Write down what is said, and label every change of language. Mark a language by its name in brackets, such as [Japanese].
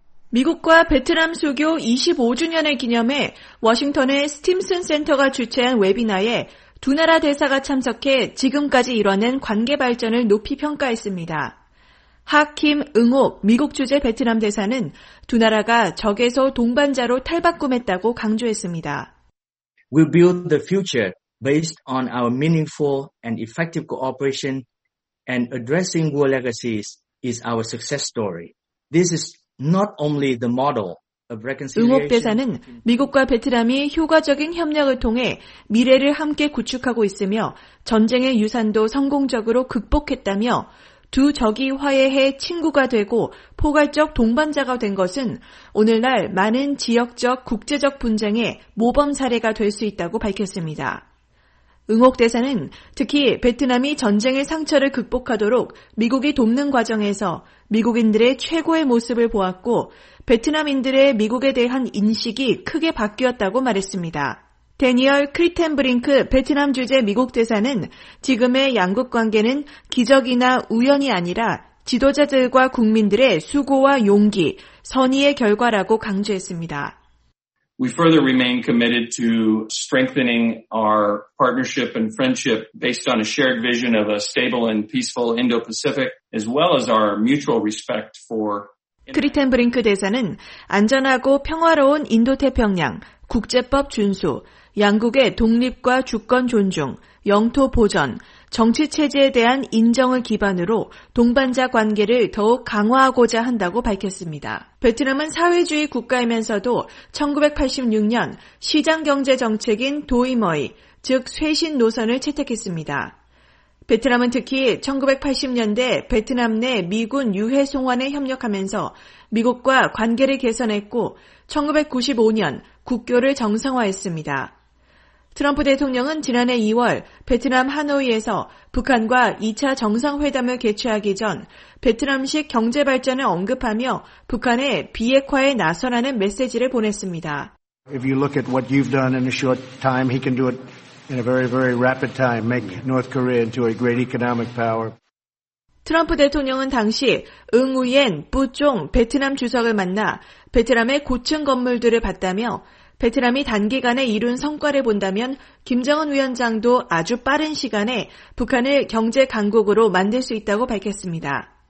[Korean] 미국과 베트남 수교 25주년을 기념해 워싱턴의 스팀슨 센터가 주최한 웨비나에 두 나라 대사가 참석해 지금까지 이뤄낸 관계 발전을 높이 평가했습니다. 하킴 응호 미국 주재 베트남 대사는 두 나라가 적에서 동반자로 탈바꿈했다고 강조했습니다. [English] We build the future based on our meaningful and effective cooperation and addressing war legacies is our success story. This is not only the model of reconciliation. [Korean] 응호 대사는 미국과 베트남이 효과적인 협력을 통해 미래를 함께 구축하고 있으며 전쟁의 유산도 성공적으로 극복했다며 두 적이 화해해 친구가 되고 포괄적 동반자가 된 것은 오늘날 많은 지역적 국제적 분쟁의 모범 사례가 될 수 있다고 밝혔습니다. 응옥 대사는 특히 베트남이 전쟁의 상처를 극복하도록 미국이 돕는 과정에서 미국인들의 최고의 모습을 보았고 베트남인들의 미국에 대한 인식이 크게 바뀌었다고 말했습니다. 대니얼 크리텐브링크 베트남 주재 미국 대사는 지금의 양국 관계는 기적이나 우연이 아니라 지도자들과 국민들의 수고와 용기, 선의의 결과라고 강조했습니다. [English] We further remain committed to strengthening our partnership and friendship based on a shared vision of a stable and peaceful Indo-Pacific, as well as our mutual respect for [Korean] 크리텐 브링크 대사는 안전하고 평화로운 인도태평양, 국제법 준수, 양국의 독립과 주권 존중, 영토 보전, 정치 체제에 대한 인정을 기반으로 동반자 관계를 더욱 강화하고자 한다고 밝혔습니다. 베트남은 사회주의 국가이면서도 1986년 시장경제 정책인 도이머이, 즉 쇄신 노선을 채택했습니다. 베트남은 특히 1980년대 베트남 내 미군 유해 송환에 협력하면서 미국과 관계를 개선했고 1995년 국교를 정상화했습니다. 트럼프 대통령은 지난해 2월 베트남 하노이에서 북한과 2차 정상회담을 개최하기 전 베트남식 경제발전을 언급하며 북한의 비핵화에 나서라는 메시지를 보냈습니다. [English] If you look at what you've done in a short time, he can do it. In a very, very rapid time, make North Korea into a great economic power. [Korean] 트럼프 대통령은 당시 응우옌 부종 베트남 주석을 만나 베트남의 고층 건물들을 봤다며 베트남이 단기간에 이룬 성과를 본다면 김정은 위원장도 아주 빠른 시간에 북한을 경제 강국으로 만들 수 있다고 밝혔습니다.